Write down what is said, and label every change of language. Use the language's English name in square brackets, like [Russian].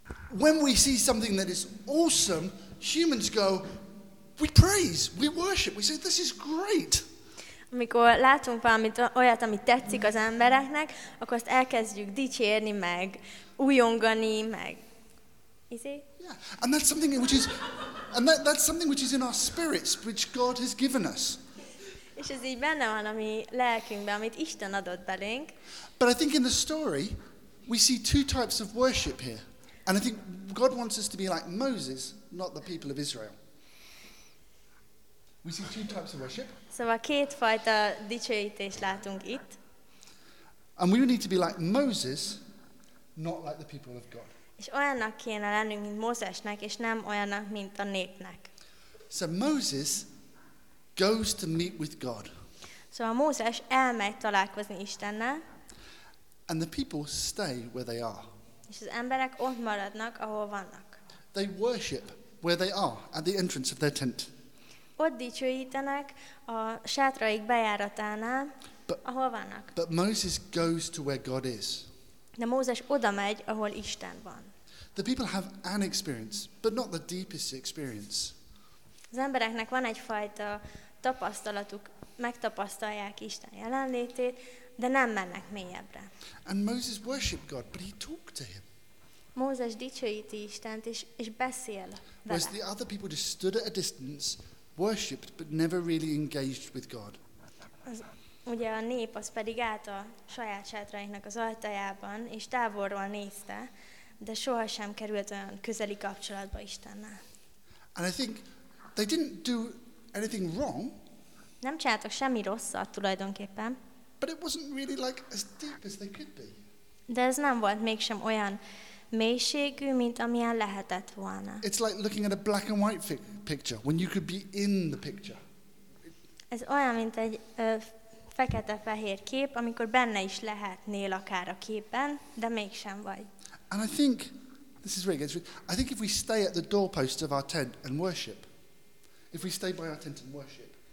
[English] When we see something that is awesome, humans go, we praise, we worship, we say, this is great. [Hungarian] Amikor látunk valamit, olyat, ami tetszik az embereknek, akkor azt elkezdjük dicsérni, meg újongani, meg... [English] Yeah. And that's something which is, and that's something which is in our spirits, which God has given us. És ez így benne van a mi lelkünkben, amit Isten adott belénk. But I think in the story, we see two types of worship here. And I think God wants us to be like Moses, not the people of Israel. We see two types of worship. [Hungarian] Szóval két fajta dicsőítést látunk itt. [English] And we need to be like Moses, not like the people of God. [Hungarian] És olyannak kéne lennünk, mint Mózesnek, és nem olyannak, mint a népnek. [English] So Moses goes to meet with God. [Hungarian] Szóval Mózes elmegy találkozni Istennel. [English] And the people stay where they are. [Hungarian] És az emberek ott maradnak, ahol vannak. [English] They worship where they are, at the entrance of their tent. [Hungarian] Ott dicsőítenek a sátraik bejáratánál, [English] but, [Hungarian] ahol vannak. [English] But Moses goes to where God is. [Hungarian] De Mózes oda megy, ahol Isten van. [English] The people have an experience, but not the deepest experience. [Hungarian] Az embereknek van egyfajta tapasztalatuk, megtapasztalják Isten jelenlétét, de nem mennek mélyebbre. [English] And Moses worshiped God, but he talked to him. [Hungarian] Mózes dicsőíti Istent, és beszél vele. [English] Whereas the other people just stood at a distance, worshiped, but never really engaged with God. [Hungarian] Ugye a nép az pedig állt a saját sátraiknak az ajtajában, és távolról nézte, de sohasem került olyan közeli kapcsolatba Istennel. [English] And I think they didn't do anything wrong. [Hungarian] Nem csináltak semmi rosszat tulajdonképpen. [English] But it wasn't really like as deep as they could be. [Hungarian] De ez nem volt mégsem olyan mélységű, mint amilyen lehetett volna. [English] It's like looking at a black and white picture when you could be in the picture. [Hungarian] Ez olyan, mint egy fekete-fehér kép, amikor benne is lehetnél akár a képen, de mégsem vagy. [English] And I think this is really good. I think if we stay at the doorpost of our tent and worship, if we stay by our tent and worship.